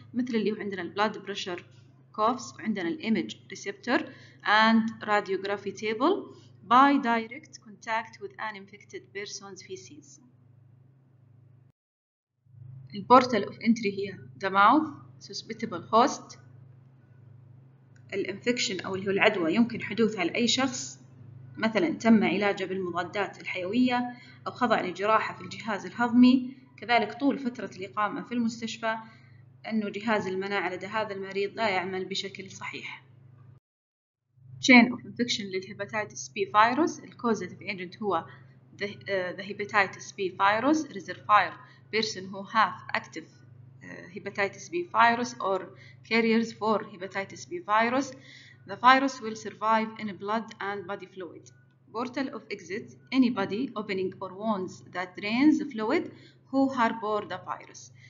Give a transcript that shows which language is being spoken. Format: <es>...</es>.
<ar>مثل اللي عندنا</ar> <en>blood pressure cuffs وعندنا image receptor and radiography table by direct contact with an infected person's feces. البورتال of entry هي the mouth, suspectable host.</en> <ar>الانفكشن أو اللي هو العدوى يمكن حدوثها لأي شخص، مثلا تم علاجه بالمضادات الحيوية أو خضع لجراحة في الجهاز الهضمي، كذلك طول فترة الإقامة في المستشفى أنه جهاز المناعة لدى هذا المريض لا يعمل بشكل صحيح.</ar> <en>Chain of infection للهيباتيتس B virus. Causative agent هو the hepatitis B virus. Reservoir person who have active hepatitis B virus or carriers for hepatitis B virus. The virus will survive in blood and body fluid. Portal of exit, anybody opening or wounds that drains fluid who harbor the virus.</en>